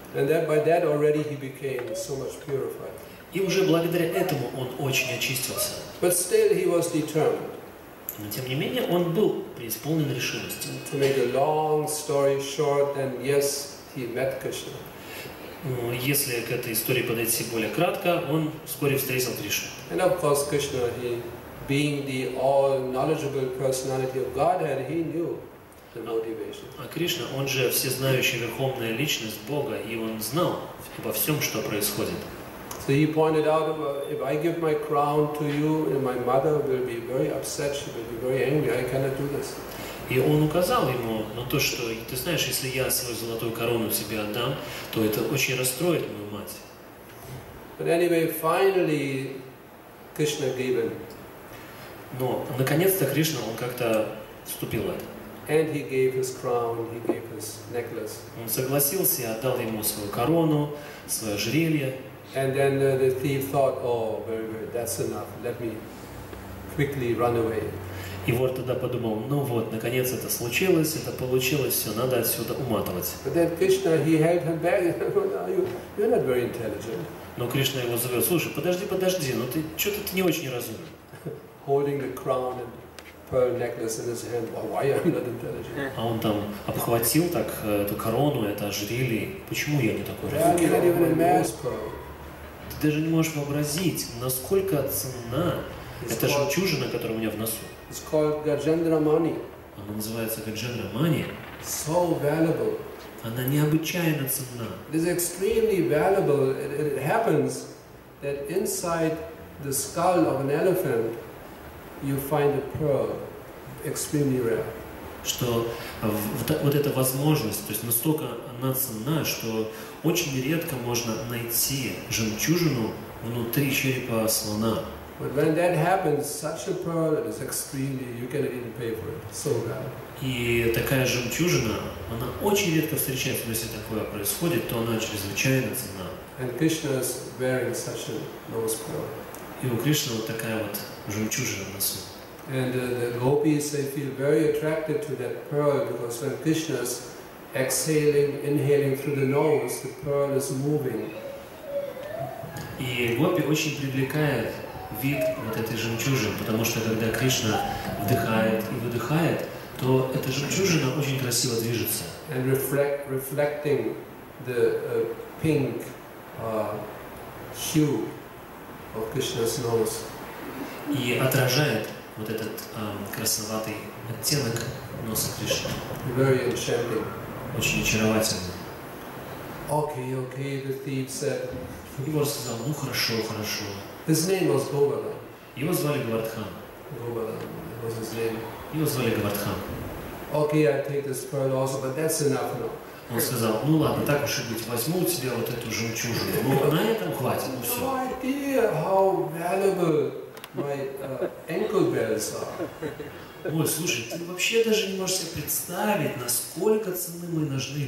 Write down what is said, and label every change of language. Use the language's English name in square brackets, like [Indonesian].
[English] And that by that already he became so much purified. [Russian] И уже благодаря этому он очень очистился. [English] But still he was determined. [Russian] Но тем не менее он был преисполнен решимости. [English] To make a long story short, then yes, he met Krishna. [Russian] Если к этой истории подойти более кратко, он вскоре встретил Кришну. [English] And of course Krishna, he being the all knowledgeable personality of Godhead, he knew. [Russian] А Кришна, он же всезнающий верховная личность Бога, и он знал обо всем, что происходит. [English] So he pointed out, if I give my crown to you, and my mother will be very upset, she will be very angry. I cannot do this. [Russian] И он указал ему на то, что ты знаешь, если я свою золотую корону себе отдам, то это очень расстроит мою мать. [English] But anyway, finally, Krishna gave in. [Russian] Но наконец-то Кришна, он как-то вступил в это. [English] And he gave his crown, he gave his necklace. [Russian] Он согласился и отдал ему свою корону, свое ожерелье. [English] And then the thief thought, oh, very good, that's enough. Let me quickly run away. [Russian] И вор тогда подумал, ну вот, наконец это случилось, это получилось, все, надо отсюда уматывать. [English] But then Krishna, he held him back. You're not very intelligent. [Russian] Но Кришна его зовет, слушай, подожди, ну ты что-то ты не очень разумный. [English] Holding the crown and pearl necklace in his hand. Oh, why I'm not intelligent? [Russian] А он там обхватил так эту корону, это ожерелье. Почему я не такой разумный? Ты даже не можешь вообразить, насколько цена эта жемчужина, которая у меня в носу. [English] It's called Gajendra Mani. [Russian] Она называется Gajendra Mani. [English] So valuable. [Russian] Она необычайно ценна. [English] It is extremely valuable. It happens that inside the skull of an elephant you find a pearl extremely rare. [Russian] Что вот эта возможность, то есть настолько она ценна, что очень редко можно найти жемчужину внутри черепа слона. [English] But when that happens, such a pearl is extremely, you can't even pay for it. So rare. [Russian] И такая жемчужина, она очень редко встречается. Но если такое происходит, то она чрезвычайно ценна. [English] And Krishna is wearing such a nose pearl. [Russian] И у Кришны вот такая вот жемчужина в носу. [English] And the gopis, they feel very attracted to that pearl, because when Krishna is exhaling, inhaling through the nose, the pearl is moving. [Russian] И гопи очень привлекает вид вот этой жемчужины, потому что когда Кришна вдыхает и выдыхает, то эта жемчужина очень красиво движется. [English] And reflecting the pink hue of Krishna's nose. [Russian] И отражает вот этот красноватый оттенок носа Кришны. [English] Very enchanting. [Russian] Очень очаровательный. [English] Okay, the thief said. [Russian] И вор сказал, ну хорошо. [English] His name was Govardhan. [Russian] Его звали Говардхан. [English] Govardhan was his name. [Russian] Его звали Говардхан. [English] Okay, I take this pearl also, but that's enough now. [Russian] Он сказал, ну ладно, так уж и быть, возьму у тебя вот эту жемчужину. Ну, на этом хватит, ну все. [English] No idea how valuable my ankle bells are. [Russian] Ой, слушай, ты вообще даже не можешь себе представить, насколько ценны мои ножны.